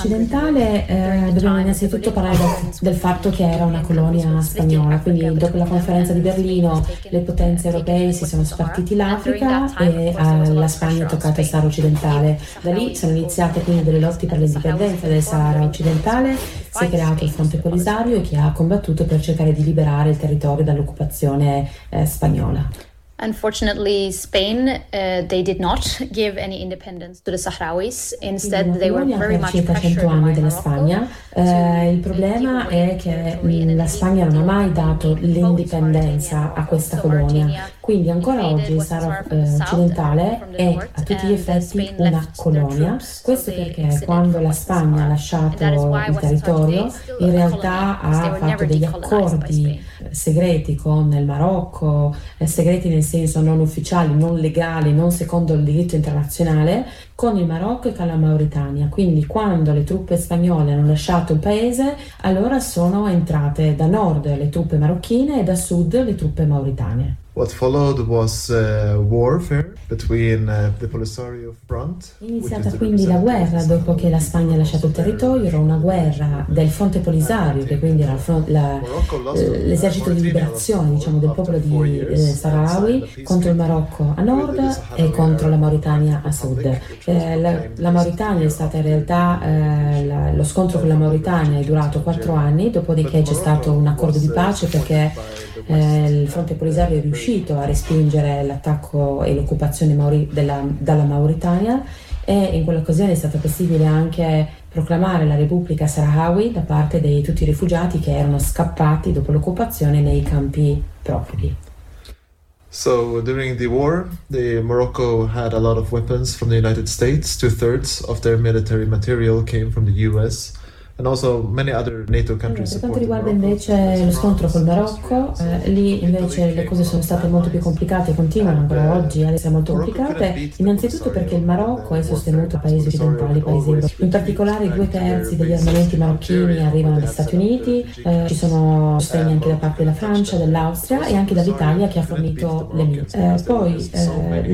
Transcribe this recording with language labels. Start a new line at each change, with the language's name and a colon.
Italian: Occidentale dobbiamo innanzitutto parlare del fatto che era una colonia spagnola, quindi dopo la conferenza di Berlino le potenze europee si sono spartiti l'Africa e la Spagna è toccata il Sahara occidentale. Da lì sono iniziate quindi delle lotte per l'indipendenza del Sahara occidentale, si è creato il fronte Polisario, che ha combattuto per cercare di liberare il territorio dall'occupazione spagnola.
English: Unfortunately, Spain they did not give any independence to the Sahrawis. Instead, they were very much pressured by Morocco.
Italian: Il problema è che la Spagna non ha mai dato l'indipendenza a questa colonia. Quindi ancora oggi il Sahara occidentale è a tutti gli effetti una colonia. Questo perché quando la Spagna ha lasciato il territorio, in realtà ha fatto degli accordi segreti con il Marocco, segreti nel senso non ufficiali, non legali, non secondo il diritto internazionale, con il Marocco e con la Mauritania. Quindi quando le truppe spagnole hanno lasciato il paese, allora sono entrate da nord le truppe marocchine e da sud le truppe mauritane.
English: What followed was warfare between the Polisario Front.
Italian: Iniziata quindi la guerra dopo che la Spagna ha lasciato il territorio, era una guerra del Fronte Polisario, che quindi era l'esercito di liberazione, diciamo, del popolo di Sahrawi contro il Marocco a nord e contro la Mauritania a sud. La Mauritania è stata in realtà lo scontro con la Mauritania è durato 4 anni, dopodiché c'è stato un accordo di pace perché il Fronte Polisario è riuscito a respingere l'attacco e l'occupazione dalla Mauritania, e in quell'occasione è stato possibile anche proclamare la Repubblica Sahrawi da parte di tutti i rifugiati che erano scappati dopo l'occupazione nei campi profughi.
English: So during the war, the Morocco had a lot of weapons from the United States. 2/3 of their military material came from the US. And also many other NATO countries.
Italian: Per quanto riguarda invece lo scontro col Marocco, lì invece le cose sono state molto più complicate e continuano ancora oggi ad essere molto complicate, innanzitutto perché il Marocco è sostenuto paesi occidentali, paesi europei. In particolare 2/3 degli armamenti marocchini arrivano dagli Stati Uniti, ci sono sostegni anche da parte della Francia, dell'Austria e anche dall'Italia che ha fornito le mine.